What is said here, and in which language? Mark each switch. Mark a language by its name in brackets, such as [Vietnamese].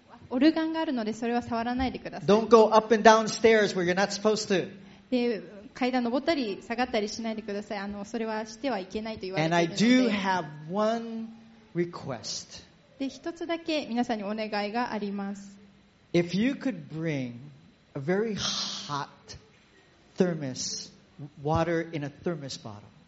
[Japanese] オルガンがあるのでそれは触らないでください。 [English] Don't go up and down stairs where you're not supposed to. [Japanese] で、階段登ったり下がったりしないでください。それはしてはいけないと言われているので。 [English] And I do have one request. [Japanese] で、一つだけ皆さんにお願いがあります。 [English] If you could bring a very hot thermos water in a thermos bottle.